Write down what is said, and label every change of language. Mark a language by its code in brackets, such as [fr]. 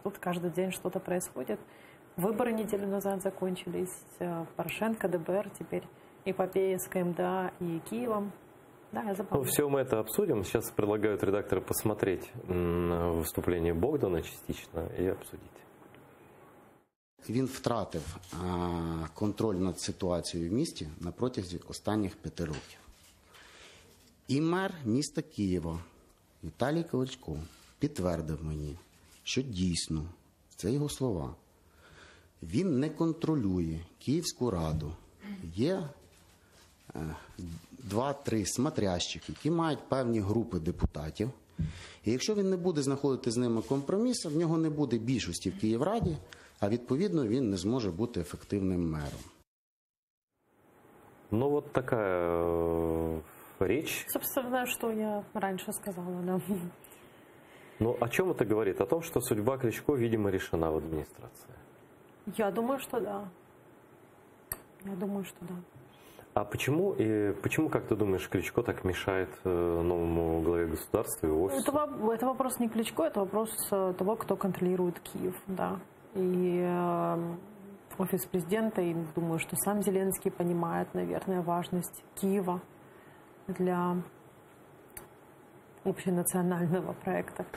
[ru] Тут каждый день что-то происходит. Выборы неделю назад закончились. Порошенко, ДБР теперь, эпопея с КМДА и Киевом. Да, я запомнил. Ну, все мы это обсудим. Сейчас предлагают редакторы посмотреть выступление Богдана частично и обсудить. [uk] Он втратил контроль над ситуацией в городе на протязі останніх 5 років. И мэр міста Києва Віталій Кличко підтвердив мені, що дійсно, це його слова, він не контролює Київську раду. Є два-три смотрящих, які мають певні групи депутатів. І якщо він не буде знаходити з ними компроміс, в нього не буде більшості в Київраді, а відповідно він не зможе бути ефективним мером. Ну, от така річ. Собственно, що я раніше сказала, да. Ну, о чому це говорить? О тому, що судьба Кличко, видимо, рішена в адміністрації. Я думаю, що да. Я думаю, що да. [ru] А почему, и почему, как ты думаешь, Кличко так мешает новому главе государства и офису? Это вопрос не Кличко, это вопрос того, кто контролирует Киев, да. И офис президента, и думаю, что сам Зеленский понимает, наверное, важность Киева для общенационального проекта.